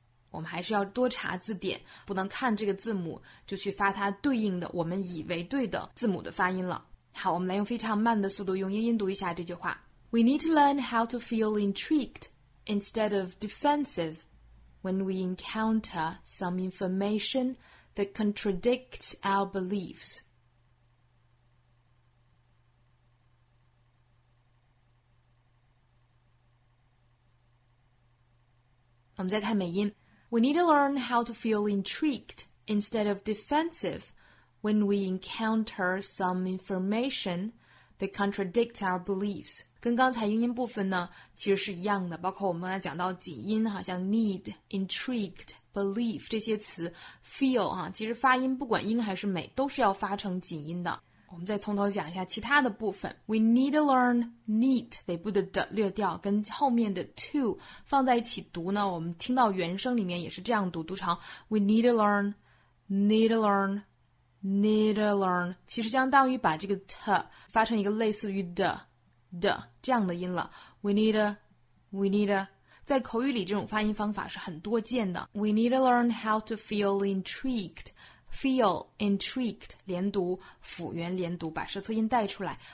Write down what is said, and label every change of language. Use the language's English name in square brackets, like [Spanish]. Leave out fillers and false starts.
[Chinese] 我们还是要多查字典，不能看这个字母就去发它对应的我们以为对的字母的发音了。好，我们来用非常慢的速度用英音读一下这句话。 [English] We need to learn how to feel intrigued instead of defensive when we encounter some information that contradicts our beliefs. [Chinese] 我们再看美音。 [English] We need to learn how to feel intrigued instead of defensive when we encounter some information that contradicts our beliefs. [Chinese] 跟刚才英音部分呢其实是一样的，包括我们刚才讲到几音哈，像 need, intrigued, believe 这些词 feel 哈，其实发音不管英还是美都是要发成几音的。我们再从头讲一下其他的部分。 [English] We need to learn [Chinese] neat 尾部的 d 略掉，跟后面的 to 放在一起读呢，我们听到原声里面也是这样读，读成 We need to learn need to learn need to learn， 其实相当于把这个 t 发成一个类似于 the 的这样的音了。 [English] We need to we need to， [Chinese] 在口语里这种发音方法是很多见的。 [English] We need to learn how to feel intriguedFeel intrigued， [Chinese] 连读辅元连读，把舌侧音带出来。